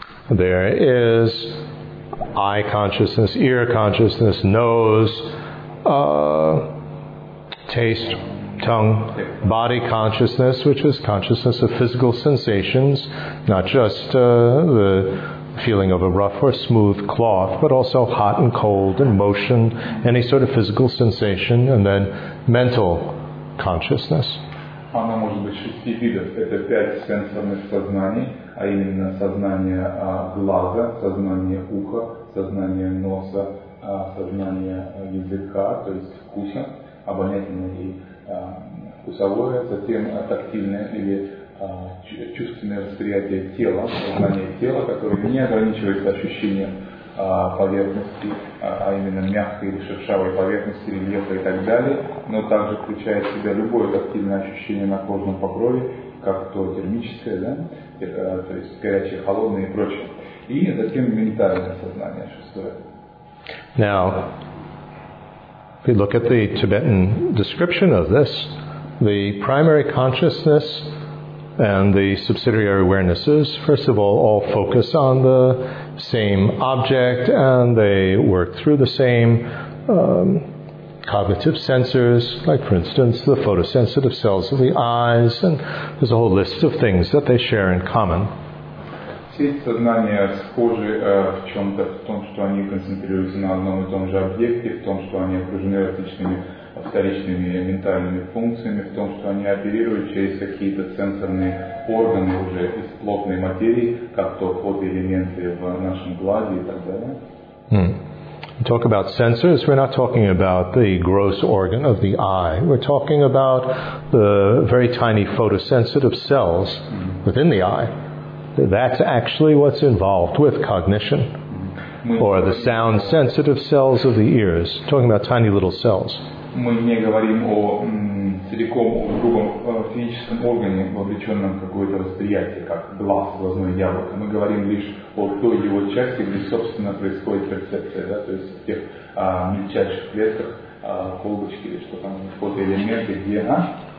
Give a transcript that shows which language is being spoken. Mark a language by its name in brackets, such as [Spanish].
[English] There is eye consciousness, ear consciousness, nose, taste, tongue, body consciousness, which is consciousness of physical sensations, not just the feeling of a rough or smooth cloth, but also hot and cold and motion, any sort of physical sensation, and then mental consciousness. [Russian] Она может быть шести видов. Это пять сенсорных сознаний, а именно сознание глаза, сознание уха, сознание носа, сознание языка, то есть вкуса, обонятельное и вкусовое, затем тактильное или чувственное восприятие тела, сознание тела, которое не ограничивается ощущением поверхности, а именно мягкой или шершавой поверхности, рельефа и так далее, но также включает в себя любое тактильное ощущение на кожном покрове, как то термическое, да, то есть горячее, холодное и прочее. И затем ментальное сознание, шестое. [English] Now, if you look at the Tibetan description of this, the primary consciousness and the subsidiary awarenesses, first of all focus on the same object and they work through the same cognitive sensors, like for instance the photosensitive cells of the eyes, and there's a whole list of things that they share in common. [Russian] Сеть сознания схожи в чем-то, в том, что они концентрируются на одном и том же объекте, в том, что они окружены различными вторичными ментальными функциями, в том, что они оперируют через какие-то сенсорные органы уже из плотной материи, как то фотоэлементы в нашем глазе и так далее. [English] Talk about sensors, we're not talking about the gross organ of the eye. We're talking about the very tiny photosensitive cells within the eye. That's actually what's involved with cognition. Or the sound sensitive cells of the ears. Talking about tiny little cells. [Russian] Мы не говорим о целиком другом физическом органе, вовлеченном в какое-то восприятие, как глаз, глазное яблоко. Мы говорим лишь о той его части, где, собственно, происходит перцепция, да, то есть в тех мельчайших клетках, колбочки или что там, фотоэлементы, где она.